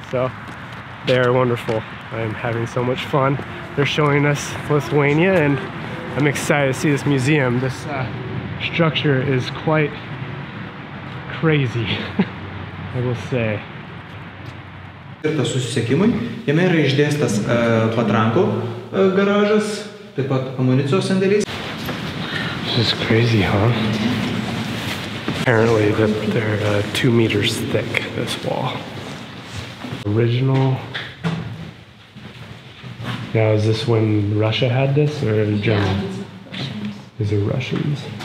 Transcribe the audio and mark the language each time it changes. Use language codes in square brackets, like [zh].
[en] So they're wonderful. I'm having so much fun. They're showing us Lithuania and I'm excited to see this museum. This structure is quite crazy, I will say. [lt] Skirta susisiekimui. Jame yra išdėstas patrankų garažas, taip pat amunicijos sandėlis. [en] This is crazy, huh? Apparently they're 2 meters thick, this wall. Original. Now is this when Russia had this or German? Yeah, Russians. Is it Russians?